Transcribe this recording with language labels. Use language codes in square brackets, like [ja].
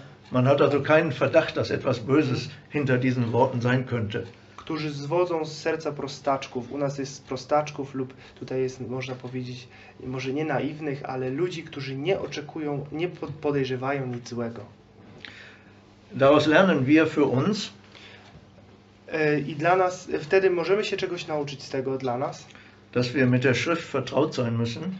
[de] Man hat also keinen Verdacht, dass etwas Böses hinter diesen Worten sein könnte. [pl] Którzy zwodzą z serca prostaczków. U nas jest prostaczków lub tutaj jest, można powiedzieć, może nie naiwnych, ale ludzi, którzy nie oczekują, nie podejrzewają nic złego. [de] Daraus lernen wir für uns. [pl] I dla nas, wtedy możemy się czegoś nauczyć z tego dla nas. [de] Dass wir mit der Schrift vertraut sein müssen.